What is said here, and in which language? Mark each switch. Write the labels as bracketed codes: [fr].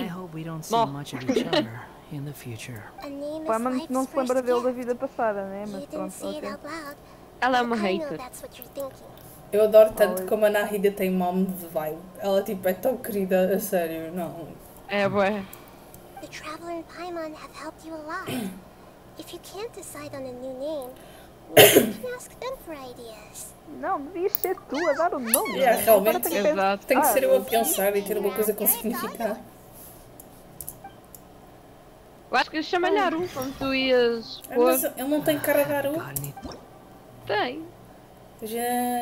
[en] I hope we don't see much of each other in the future. [pt] Paimon não se lembra dele da vida passada, né? Mas pronto, ok. Ela é uma hater. Eu adoro tanto como a Nahida tem [en] mom vibe. [pt] Ela tipo é tão querida, a sério, não. É, bué. [en] The Traveler and Paimon have helped you a lot. If you can't decide on a new name, you can ask them for ideas. [pt] Não, devia ser tu a dar o nome. [en] Yeah, [pt] realmente, tem que ser eu a pensar e ter uma coisa com significado. Eu acho que ele chama-lhe Haru, como tu ias pôr. Ele não tem cara de Haru. Tem. Já.